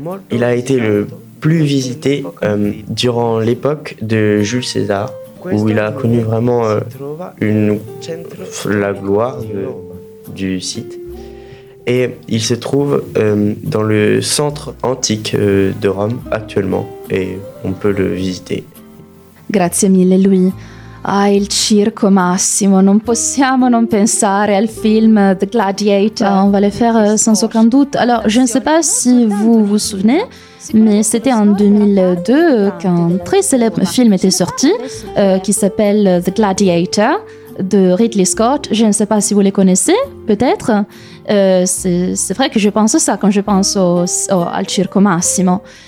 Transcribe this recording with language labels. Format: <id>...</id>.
<fr>Il a été le plus visité durant l'époque de Jules César, où il a connu vraiment la gloire du site. Et il se trouve dans le centre antique de Rome actuellement, et on peut le visiter.</fr> <it>Grazie mille, Louis. Ah, il Circo Massimo, non possiamo non pensare al film The Gladiator.</it> <fr>Ah, on va le faire sans aucun doute. Alors, je ne sais pas si vous vous souvenez, mais c'était en 2002 qu'un très célèbre film était sorti qui s'appelle The Gladiator de Ridley Scott. Je ne sais pas si vous le connaissez, peut-être. C'est vrai que je pense ça quand je pense au Circo Massimo.</fr>